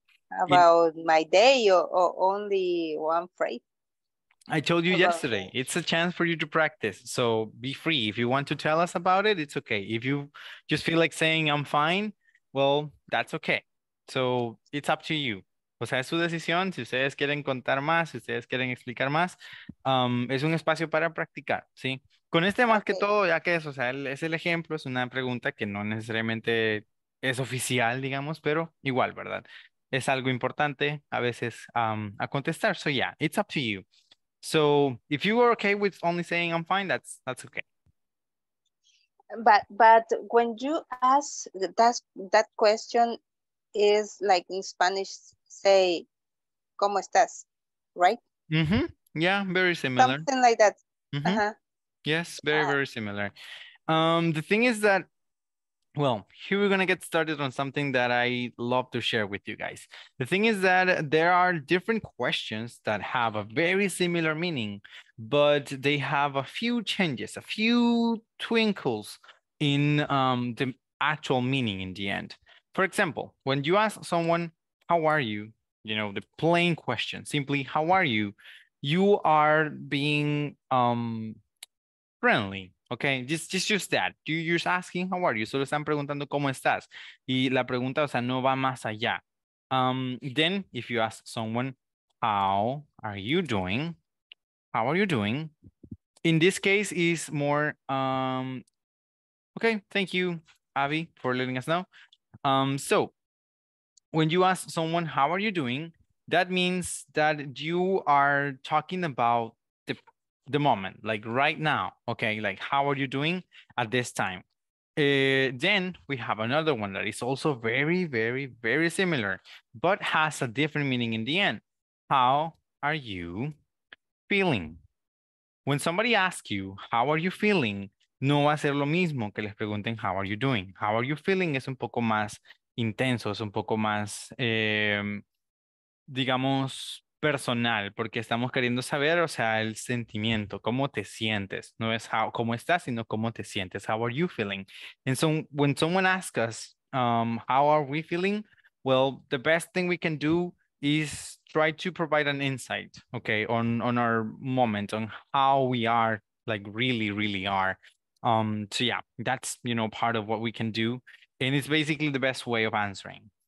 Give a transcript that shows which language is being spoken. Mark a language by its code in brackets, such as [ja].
[en] It about my day or only one phrase I told you about yesterday, me. it's a chance for you to practice. So be free. If you want to tell us about it, it's okay. If you just feel like saying I'm fine, well, that's okay. So it's up to you. [es] O sea, es su decisión. Si ustedes quieren contar más, si ustedes quieren explicar más, es un espacio para practicar, ¿sí? Con este más que [en] Okay. [es] todo, ya que es, o sea, es el ejemplo, es una pregunta que no necesariamente es oficial, digamos, pero igual, ¿verdad? Es algo importante a veces a contestar. [en] So yeah, it's up to you. So if you are okay with only saying I'm fine, that's okay. But when you ask that question is like in Spanish, say, [es] ¿cómo estás? [en] Right? Yeah, very similar. Something like that. Yes, very, very similar. The thing is that, well, here we're gonna get started on something that I love to share with you guys. The thing is that there are different questions that have a very similar meaning, but they have a few changes, a few twinkles in the actual meaning in the end. For example, when you ask someone, how are you? The plain question, simply, how are you? You are being friendly. Okay, just that. You're just asking, how are you? [es] Solo están preguntando, ¿cómo estás? Y la pregunta, o sea, no va más allá. [en] Then, if you ask someone, how are you doing? How are you doing? In this case, is more, okay, thank you, Abby, for letting us know. So, when you ask someone, how are you doing? That means that you are talking about the moment, like right now, okay? Like, how are you doing at this time? Then we have another one that is also very, very, very similar, but has a different meaning in the end. How are you feeling? When somebody asks you, how are you feeling? [es] No va a ser lo mismo que les pregunten, [en] how are you doing? How are you feeling? [es] Es un poco más intenso, es un poco más, digamos, personal, porque estamos queriendo saber, o sea, el sentimiento, cómo te sientes. No es how, cómo estás, sino cómo te sientes. [en] How are you feeling? And so when someone asks us, how are we feeling? Well, the best thing we can do is try to provide an insight, okay, on our moment, on how we are, like really, really are. So yeah, that's, you know, part of what we can do. And it's basically the best way of answering.